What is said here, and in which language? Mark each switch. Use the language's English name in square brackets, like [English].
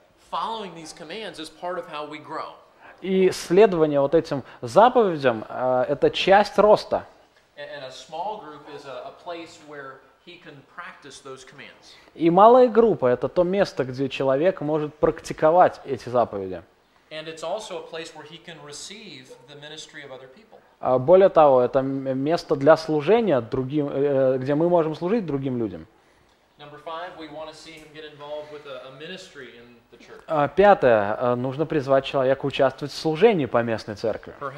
[English] Following these commands is part of how we grow. [Russian] И следование вот этим заповедям это часть роста. [English] And a small group is a place where he can practice those commands. [Russian] И малая группа это то место, где человек может практиковать эти заповеди. [English] And it's also a place where he can receive the ministry of other people. [Russian] Более того, это место для служения другим, где мы можем служить другим людям. [English] Number five, we want to see him get involved with a ministry in. [Russian] Пятое. Нужно призвать человека участвовать в служении по местной церкви.